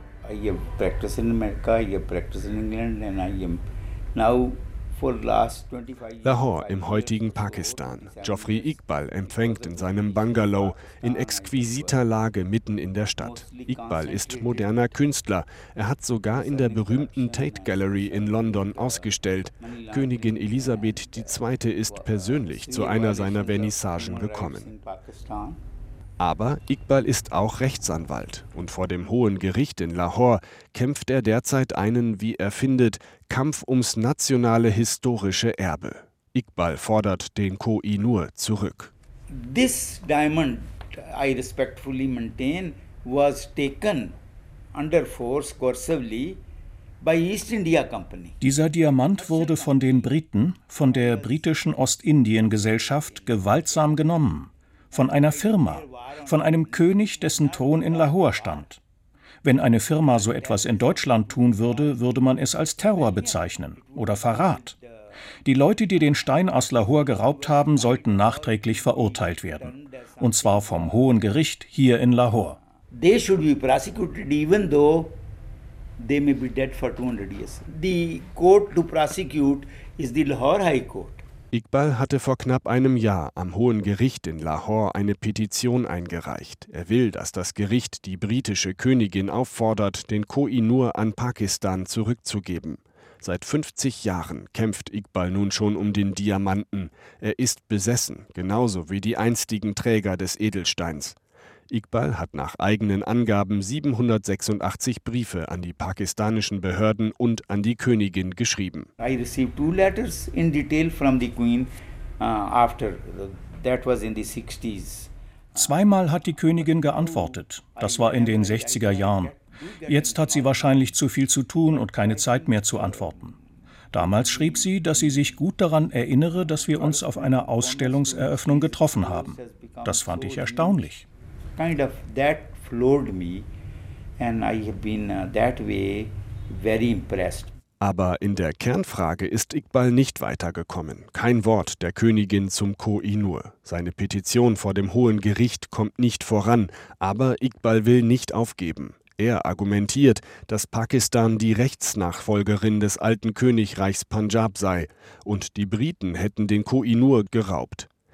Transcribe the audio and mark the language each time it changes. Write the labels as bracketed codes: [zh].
[en] I am practicing in America, I am practicing in England and I am now. [de] Lahore im heutigen Pakistan. Geoffrey Iqbal empfängt in seinem Bungalow in exquisiter Lage mitten in der Stadt. Iqbal ist moderner Künstler. Er hat sogar in der berühmten Tate Gallery in London ausgestellt. Königin Elisabeth II. Ist persönlich zu einer seiner Vernissagen gekommen. Aber Iqbal ist auch Rechtsanwalt. Und vor dem Hohen Gericht in Lahore kämpft er derzeit einen, wie er findet, Kampf ums nationale historische Erbe. Iqbal fordert den Koh-i-Noor zurück. [en] This diamond, I respectfully maintain, was taken under force coercively by East India Company. [de] Dieser Diamant wurde von den Briten, von der britischen Ostindien-Gesellschaft, gewaltsam genommen. Von einer Firma, von einem König, dessen Thron in Lahore stand. Wenn eine Firma so etwas in Deutschland tun würde, würde man es als Terror bezeichnen oder Verrat. Die Leute, die den Stein aus Lahore geraubt haben, sollten nachträglich verurteilt werden. Und zwar vom Hohen Gericht hier in Lahore. [en] They should be prosecuted even though they may be dead for 200 years. The court to prosecute is the Lahore High Court. [de] Iqbal hatte vor knapp einem Jahr am Hohen Gericht in Lahore eine Petition eingereicht. Er will, dass das Gericht die britische Königin auffordert, den Koh-i-Noor an Pakistan zurückzugeben. Seit 50 Jahren kämpft Iqbal nun schon um den Diamanten. Er ist besessen, genauso wie die einstigen Träger des Edelsteins. Iqbal hat nach eigenen Angaben 786 Briefe an die pakistanischen Behörden und an die Königin geschrieben. [en] I received 2 letters in detail from the Queen after that was in the 60s. [de] Zweimal hat die Königin geantwortet. Das war in den 60er Jahren. Jetzt hat sie wahrscheinlich zu viel zu tun und keine Zeit mehr zu antworten. Damals schrieb sie, dass sie sich gut daran erinnere, dass wir uns auf einer Ausstellungseröffnung getroffen haben. Das fand ich erstaunlich. [en] Kind of that floored me and I have been that way very impressed. [de] Aber in der Kernfrage ist Iqbal nicht weitergekommen. Kein Wort der Königin zum Koh-i-Noor. Seine Petition vor dem Hohen Gericht kommt nicht voran. Aber Iqbal will nicht aufgeben. Er argumentiert, dass Pakistan die Rechtsnachfolgerin des alten Königreichs Punjab sei und die Briten hätten den Koh-i-Noor geraubt.